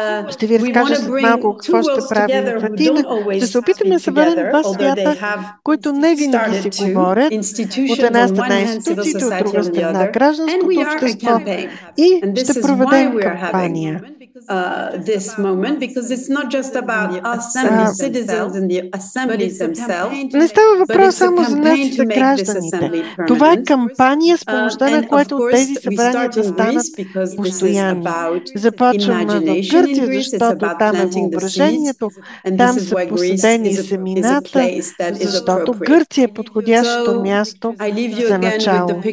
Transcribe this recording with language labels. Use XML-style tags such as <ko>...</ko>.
<bg>Ще ви разкажа след малко какво ще правим в Атина. Ще се опитаме да съберем два свята, които не винаги си говорят. От една страна институциите, от друга страна гражданското общество. И ще проведем кампания.</bg> <en>This moment, because it's not just about us and the citizens and the assemblies themselves.</en> <bg>Не става въпрос само за нашите гражданите. Това е кампания, с помощта на която тези събрания да станат постоянни. Започваме в Гърция, защото там е въображението, там са посадени семената, защото Гърция е подходящото място за начало.</bg>